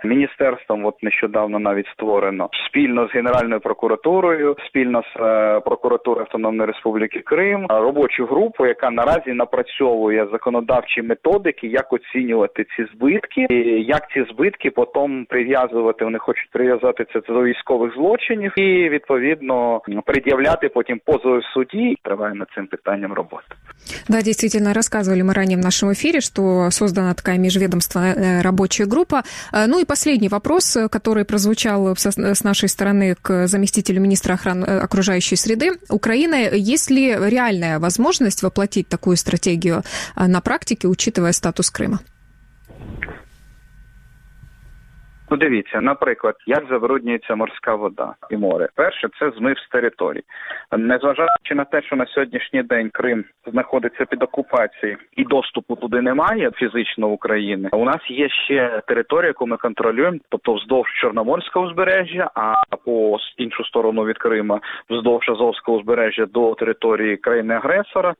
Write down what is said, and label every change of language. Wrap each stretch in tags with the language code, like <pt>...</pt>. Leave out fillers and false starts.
<uk>Міністерством от нещодавно навіть створено спільно з Генеральною прокуратурою, спільно з прокуратурою Автономної Республіки Крим, робочу групу, яка наразі напрацьовує законодавчі методики, як оцінювати ці збитки, і як ці збитки потім прив'язувати, вони хочуть прив'язати це до військових злочинів і, відповідно, пред'являти потім позов в суді, триває над цим питанням роботи.</uk> <ru>Да, действительно, рассказывали мы ранее в нашем эфире, что создана такая межведомственная рабочая группа. Ну и последний вопрос, который прозвучал с нашей стороны к заместителю министра охраны окружающей среды. Украина, есть ли реальная возможность воплотить такую стратегию на практике, учитывая статус Крыма?</ru> <uk>Ну, дивіться, наприклад, як забруднюється морська вода і море. Перше, це змив з території. Незважаючи на те, що на сьогоднішній день Крим знаходиться під окупацією і доступу туди немає фізично в Україні, у нас є ще територія, яку ми контролюємо, тобто вздовж Чорноморського узбережжя, а по іншу сторону від Крима, вздовж Азовського узбережжя до території країни-агресора.</uk>